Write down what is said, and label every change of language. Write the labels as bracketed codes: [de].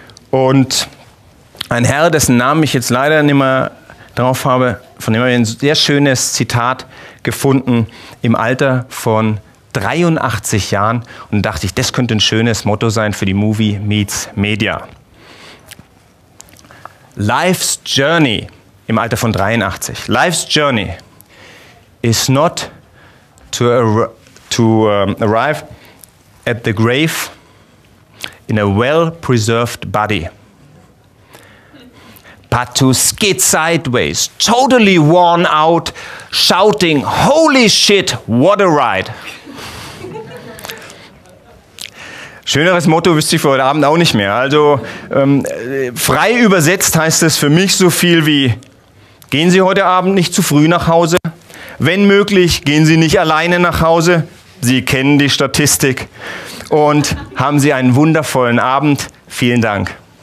[de] Und ein Herr, dessen Namen ich jetzt leider nicht mehr drauf habe, von dem habe ich ein sehr schönes Zitat gefunden, im Alter von 83 Jahren. Und dachte ich, das könnte ein schönes Motto sein für die Movie Meets Media. [en] Life's Journey, [de] im Alter von 83. [en] Life's Journey is not to arrive at the grave in a well-preserved body, but to skid sideways, totally worn out, shouting, holy shit, what a ride. [de] Schöneres Motto wüsste ich für heute Abend auch nicht mehr. Also frei übersetzt heißt es für mich so viel wie, gehen Sie heute Abend nicht zu früh nach Hause, Wenn möglich, gehen Sie nicht alleine nach Hause. Sie kennen die Statistik. Und haben Sie einen wundervollen Abend. Vielen Dank.